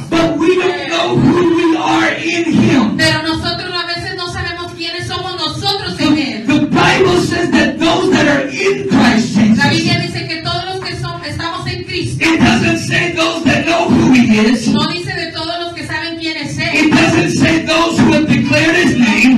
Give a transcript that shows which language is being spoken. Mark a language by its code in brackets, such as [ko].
[en] But we don't know who we are in Him. [es] Pero nosotros a veces no sabemos quiénes somos nosotros en Él. [en] The Bible says that those that are in Christ Jesus. [es] La Biblia dice que todos los que estamos en Cristo. [en] It doesn't say those that know who He is. [es] No dice de todos los que saben quién es Él. [en] It doesn't say those who have declared His name.